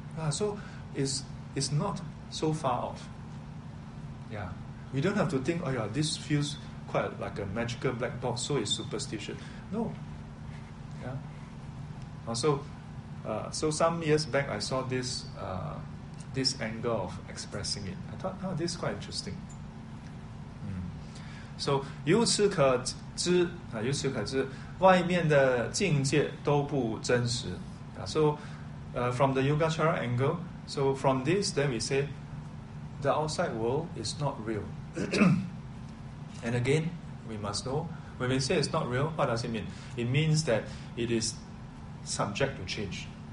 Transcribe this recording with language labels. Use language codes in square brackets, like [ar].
[en] So it's not so far off. Yeah. We don't have to think, oh yeah, this feels quite like a magical black box, so it's superstition. No. Yeah. Also, so some years back, I saw this this angle of expressing it. I thought, oh, this is quite interesting. So, [zh] 由此可知,外面的境界都不真实。 [en] From the Yogacara angle, so from this, then we say, the outside world is not real. And again, we must know, when we say it's not real, what does it mean? It means that it is subject to change.